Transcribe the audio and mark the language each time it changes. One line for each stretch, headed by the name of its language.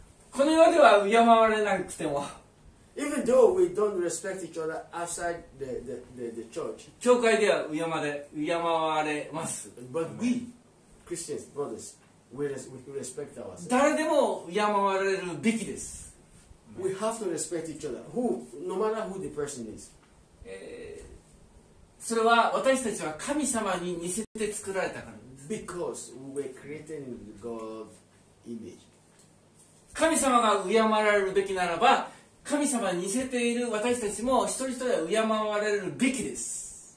Japanese: この世では敬われなくても、
English: Even though we don't respect each other outside the church,
Japanese: 教会では敬われます。
English: But we, Christians, brothers, we respect ourselves.
Japanese: 誰でも敬われるべきです。
English: We have to respect each other, who, no matter who the person is.
Japanese: それは私たちは神様に似せて作られたからです。
English: Because we were created in God's image.
Japanese: 神様が敬われるべきならば、神様に似せている私たちも一人一人は敬われるべきです。